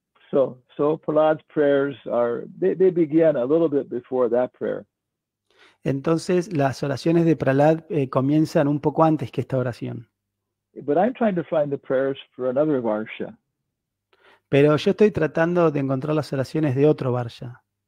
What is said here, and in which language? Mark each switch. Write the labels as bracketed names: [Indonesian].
[English] So Prahlad's prayers are, they begin a little bit before that prayer. [Spanish] Entonces, las oraciones de Prahlad comienzan un poco antes que esta oración. [English] But I'm trying to find the prayers for another Varsha. [Spanish] Pero yo estoy tratando de encontrar las oraciones de otro Varsha.